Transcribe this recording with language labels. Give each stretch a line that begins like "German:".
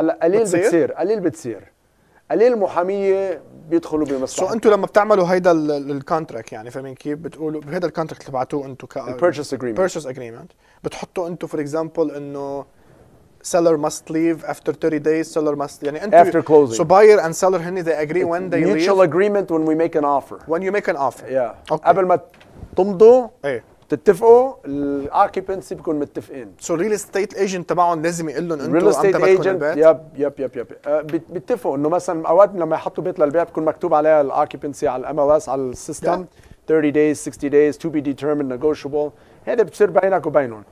Arabic: هلا قليل بتصير قليل بتصير قليل محاميه بيدخلوا بمصلحه سو انتم لما بتعملوا هيدا الكونتراكت يعني فاهمين كيف بتقولوا بهذا الكونتراكت اللي بعتوه انتم
English: البيرشيس agreement purchase agreement
Arabic: بتحطوا انتم
English: For example انه seller must leave after 30 days seller must يعني انت after closing so buyer and seller هني they agree It's when they mutual leave mutual agreement when we make an offer when you make an offer yeah okay.
Arabic: قبل ما تمضوا تتفقوا الاوكيبنسي بكون متفقين so real estate agent تبعهم لازم يقول لهم انتوا real estate agent
English: yep yep yep yep
Arabic: بيتفقوا انه مثلا اوقات لما يحطوا بيت للبيع بكون مكتوب عليها الاوكيبنسي على MLS على السيستم
English: 30 days 60 days to be determined negotiable
Arabic: هذا بتصير بينك وبينهم